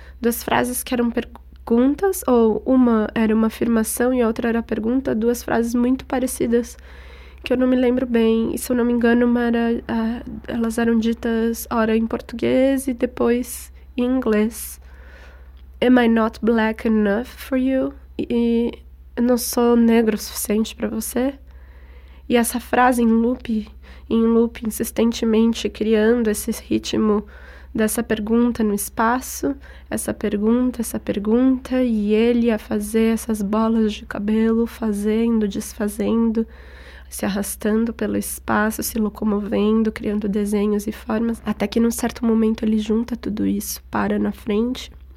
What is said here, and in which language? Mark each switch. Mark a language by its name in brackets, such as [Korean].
[Portuguese] Duas frases que eram perguntas, ou uma era uma afirmação e a outra era pergunta, duas frases muito parecidas, que eu não me lembro bem. E, se eu não me engano, elas eram ditas, ora, em português e depois em inglês. [English] am I not black enough for you? [Portuguese] E eu não sou negro o suficiente para você? E essa frase em loop insistentemente criando esse ritmo dessa pergunta no espaço, essa pergunta, e ele a fazer essas bolas de cabelo, fazendo, desfazendo, se arrastando pelo espaço, se locomovendo, criando desenhos e formas, até que num certo momento ele junta tudo isso, para na frente